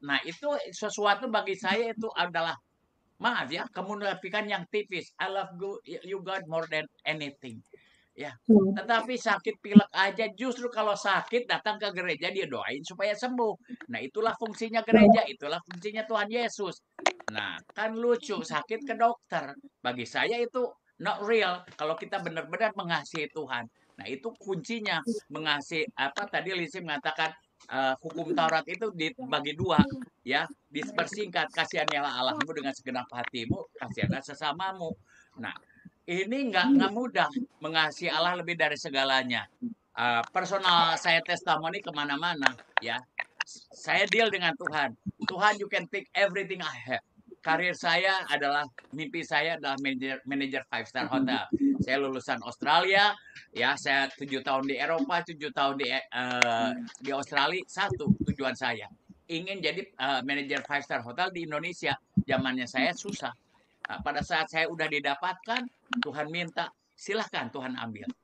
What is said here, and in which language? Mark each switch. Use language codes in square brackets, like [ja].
[id] Nah, itu sesuatu bagi saya itu adalah maaf ya, kemunafikan yang tipis. [en] I love you God more than anything. [id] Ya. Tetapi sakit pilek aja, justru kalau sakit datang ke gereja dia doain supaya sembuh. Nah, itulah fungsinya gereja, itulah fungsinya Tuhan Yesus. Nah, kan lucu, sakit ke dokter. Bagi saya itu [en] not real [id] kalau kita benar-benar mengasihi Tuhan. Nah, itu kuncinya mengasihi apa tadi Lisi mengatakan hukum Taurat itu dibagi dua, ya, dispersingkat, kasihanilah Allahmu dengan segenap hatimu, kasihanlah sesamamu. Nah, ini nggak mudah mengasihi Allah lebih dari segalanya. Personal saya testimoni kemana-mana, ya, saya deal dengan Tuhan. [en] Tuhan, you can take everything I have. [id] Karir saya adalah, mimpi saya adalah manager 5-star hotel. Saya lulusan Australia, ya, saya 7 tahun di Eropa, 7 tahun di Australia. Satu tujuan saya, ingin jadi manager 5-star hotel di Indonesia. Zamannya saya susah. Pada saat saya udah didapatkan, Tuhan minta, silahkan Tuhan ambil.